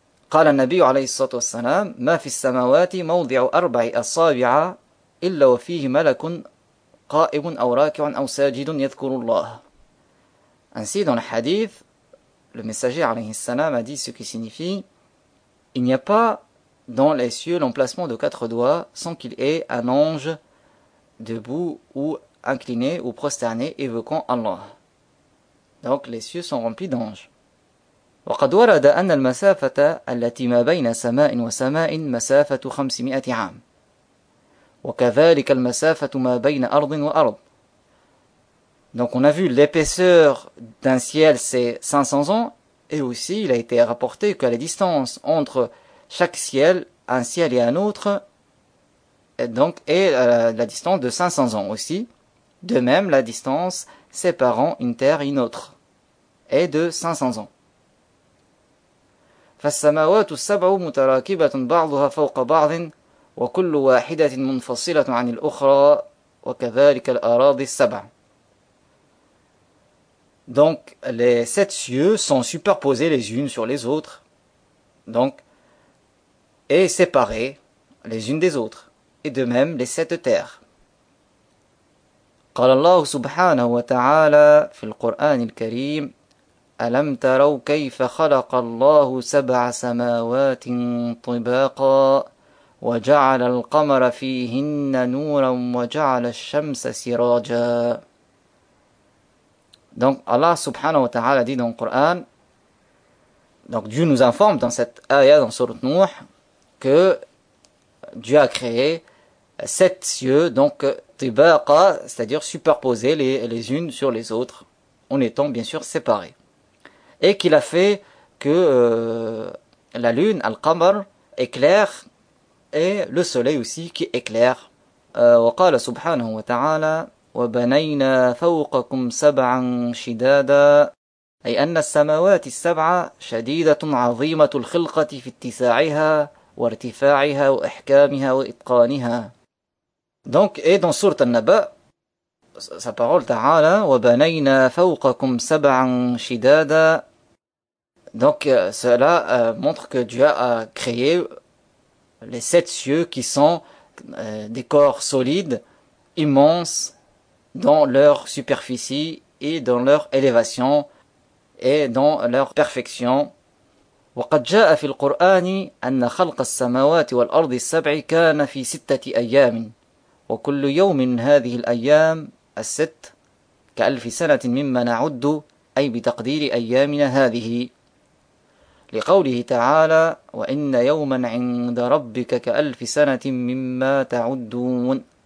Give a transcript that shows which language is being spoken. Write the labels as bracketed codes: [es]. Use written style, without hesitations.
[ar] قال النبي عليه الصلاة والسلام ما في السماوات موضع أربع أصابع إلا وفيه ملك قائم أو راكع أو ساجد يذكر الله. [fr] Ainsi dans le hadith, le messager عليه السلام a dit ce qui signifie: il n'y a pas dans les cieux l'emplacement de quatre doigts sans qu'il y ait un ange debout ou incliné ou prosterné évoquant Allah. Donc les cieux sont remplis d'anges. [ar] وقد ورد أن المسافة التي ما بين سماء وسماء مسافة 500 عام وكذلك المسافة ما بين أرض وأرض. [fr] Donc on a vu l'épaisseur d'un ciel c'est 500 ans et aussi il a été rapporté que la distance entre chaque ciel, un ciel et un autre, donc est la distance de 500 ans aussi. De même la distance séparant une terre et une autre est de 500 ans. [ar] فالسماوات السبع متراكبة بعضها فوق بعض وكل واحدة منفصلة عن الأخرى وكذلك الأراضي السبع. [fr] Donc les sept cieux sont superposés les unes sur les autres, donc et séparés les unes des autres, et de même les sept terres. [ar] قال الله سبحانه وتعالى في القرآن الكريم: ألم تروا كيف خلق الله سبع سماوات طباقا وجعل القمر فيهن نورا وجعل الشمس سراجا. [fr] Donc Allah subhanahu wa ta'ala dit dans le Coran, donc Dieu nous informe dans cette ayah dans sourate Nuh que Dieu a créé sept cieux, donc tibaqa, c'est-à-dire superposés les unes sur les autres, en étant bien sûr séparés. Et qu'il a fait que la lune, Al-Qamar, éclaire et le soleil aussi qui éclaire. [ar] وقال سبحانه وتعالى وبنينا فوقكم سبعا شدادا أي أن السماوات السبعة شديدة عظيمة الخلقة في اتساعها وارتفاعها وإحكامها وإتقانها. [fr] Donc, et dans sourate An-Naba, sa parole ta'ala, [ar] وَبَنَيْنَا فَوْقَكُمْ سَبْعًا شِدَادًا. [fr] Donc, cela montre que Dieu a créé les sept cieux qui sont des corps solides, immenses, dans leur superficie et dans leur élévation et dans leur perfection. [ar] وَقَدْ جَاءَ فِي الْقُرْآنِ أَنَّ خَلْقَ السَّمَوَاتِ وَالْأَرْضِ السَّبْعِ كَانَ فِي سِتَّةِ أَيَّامٍ وكل يوم من هذه الأيام الست كألف سنة مما نعد أي بتقدير أيامنا هذه لقوله تعالى وإن يوما عند ربك كألف سنة مما تعدون.